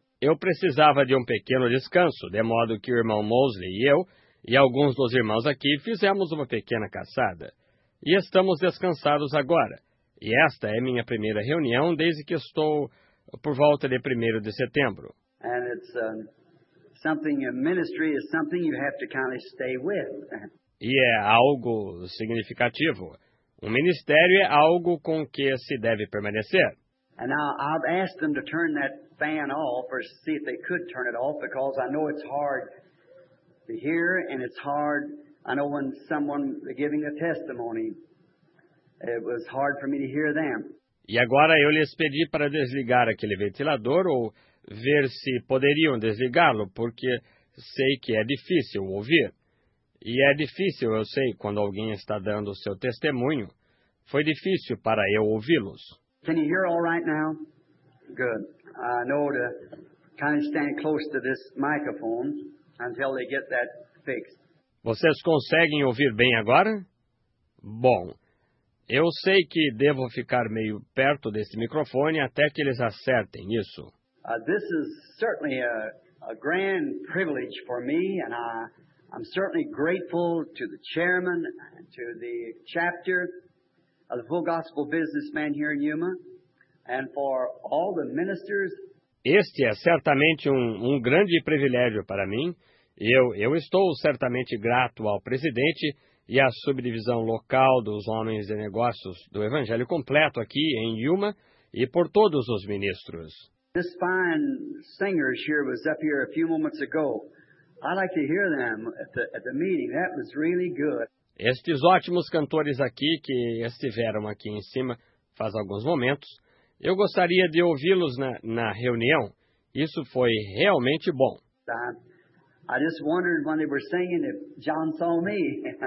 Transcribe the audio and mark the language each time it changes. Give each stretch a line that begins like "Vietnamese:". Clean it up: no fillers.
Portuguese: Eu precisava de um pequeno descanso, de modo que o irmão Mosley e eu e alguns dos irmãos aqui fizemos uma pequena caçada. E estamos descansados agora. E esta é minha primeira reunião desde que estou por volta de 1º de setembro.
English: And it's something, a ministry is something you have to kind of stay with.
Portuguese: E é algo significativo. Um ministério é algo com que se deve permanecer.
English: And now I've asked them to turn that fan off or see if they could turn it off because I know it's hard to hear, and it's hard. I know when someone giving a testimony, it was hard for me to hear them.
Portuguese: E agora eu lhes pedi para desligar aquele ventilador ou ver se poderiam desligá-lo, porque sei que é difícil ouvir. E é difícil, eu sei, quando alguém está dando o seu testemunho. Foi difícil para eu ouvi-los.
English: Can you hear all right now? Good. I know to kind of stand close to this microphone. Until they get that fixed.
Portuguese: Vocês conseguem ouvir bem agora? Bom, eu sei que devo ficar meio perto desse microfone até que eles acertem isso.
English: This is certainly a grand privilege for me, and I'm certainly grateful to the chairman, to the chapter of the Full Gospel Businessman here in Yuma, and for all the ministers.
Portuguese: Este é certamente um grande privilégio para mim. Eu estou certamente grato ao presidente e à subdivisão local dos homens de negócios do Evangelho Completo aqui em Yuma e por todos os ministros.
English: This fine singer here was up here a few moments ago. I like to hear them at the meeting. That was really good.
Portuguese: Estes ótimos cantores aqui que estiveram aqui em cima faz alguns momentos. Eu gostaria de ouvi-los na reunião. Isso foi realmente bom.
English: I just wondered when they were singing if John saw me.